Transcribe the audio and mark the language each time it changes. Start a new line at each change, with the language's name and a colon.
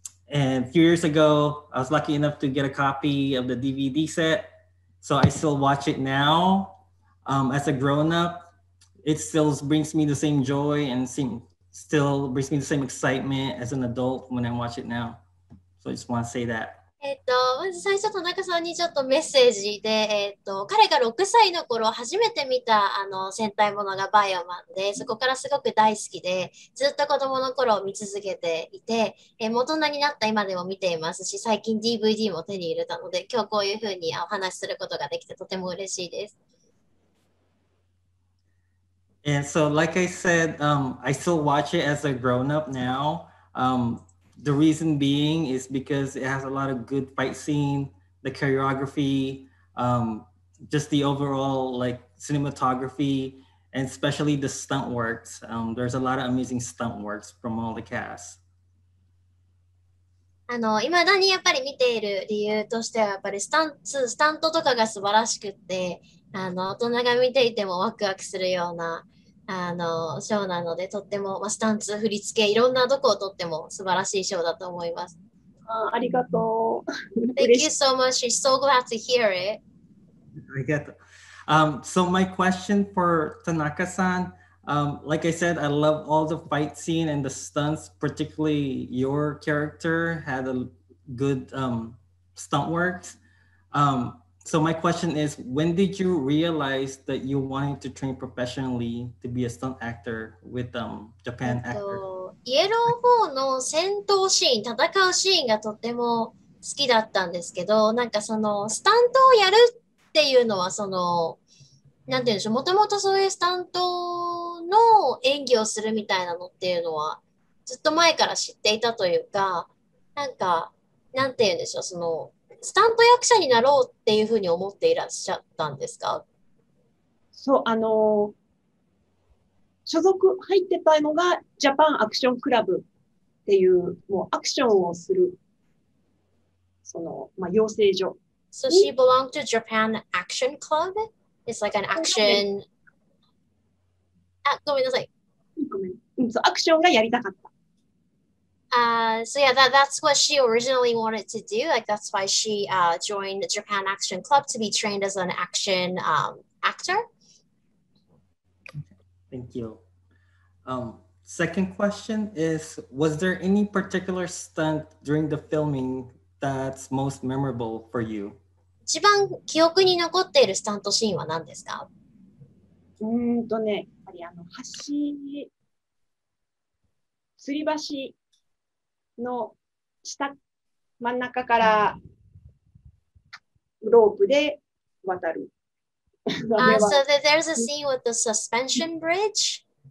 English: And a few years ago, I was lucky enough to get a copy of the DVD set. So I still watch it now. As a grown-up, it still brings me the same joy and still brings me the same excitement as an adult when I watch it now. So I just want to say that.
Japanese: まず最初田中さんにちょっとメッセージで、彼が6歳の頃初めて見た戦隊ものがバイオマンで、そこからすごく大好きで、ずっと子供の頃を見続けていて、大人になった今でも見ていますし、最近 DVD も手に入れたので、今日こういうふうにお話しすることができてとても嬉しいです。
English: And so, like I said, I still watch it as a grown-up now. The reason being is because it has a lot of good fight scene, the choreography, just the overall like cinematography, and especially the stunt works. There's a lot of amazing stunt works from all the cast.
Japanese: 今だにやっぱり見ている理由としてはやっぱりスタントとかが素晴らしくって、大人が見ていてもワクワクするような。ショーなのでとっても、スタンツ、振り付け、いろんなどこをとっても素晴らしいショーだと思います。ありがとう。
English: Thank you so much. I'm so glad to hear it.
Japanese: ありがとう。
English: So my question for Tanaka-san, like I said, I love all the fight scene and the stunts, particularly your character had a good stunt works. So my question is, when did you realize that you wanted to train professionally to be a stunt actor with Japan actor?
Japanese: イエロー4の戦闘シーン、戦うシーンがとても好きだったんですけど、なんかそのスタントをやるっていうのはその、なんていうんでしょう、もともとそういうスタントの演技をするみたいなのっていうのはずっと前から知っていたというか、なんか、なんていうんでしょう、そのスタント役者になろうっていうふうに思っていらっしゃったんですか？そう、所属入ってたのがジャパンアクションクラブっていう、もうアクションをする、その、まあ、養成所。
English: So she belonged to Japan Action Club? It's like an action.
Japanese: あ、ごめんなさい。ごめん。うん、そう、アクションがやりたかった。
English: So yeah, that's what she originally wanted to do. Like, that's why she joined Japan Action Club to be trained as an action actor. Thank you. Second question is, was there any particular stunt during the filming that's most memorable for you?
Japanese: 一番記憶に残っているスタントシーンは何ですか？やっぱりあの橋、吊り橋の下、真ん中からロープで渡る。
English: So there's a scene with the suspension bridge.